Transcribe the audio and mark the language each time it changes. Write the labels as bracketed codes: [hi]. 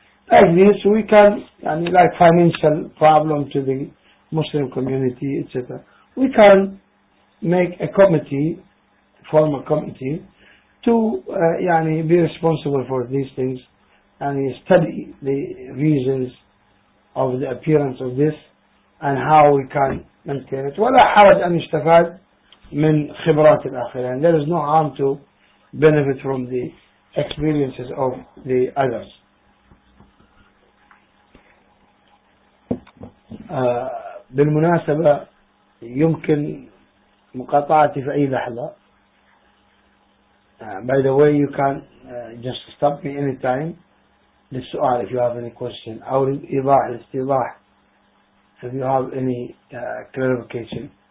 [en] Like this, we can, like financial problem to the Muslim community, etc. We can make a committee, form a committee, to be responsible for these things, and study the reasons of the appearance of this, and how we can maintain it. [ar] ولا حرج أن يستفاد من خبرات الآخرين. [en] There is no harm to benefit from the experiences of the others. [ar] بالمناسبة يمكن مقاطعتي في أي لحظة. [en] By the way, you can just stop me anytime. [ar] للسؤال [en] if you have any question [ar] أو الإيضاح الاستيضاح [en] if you have any clarification.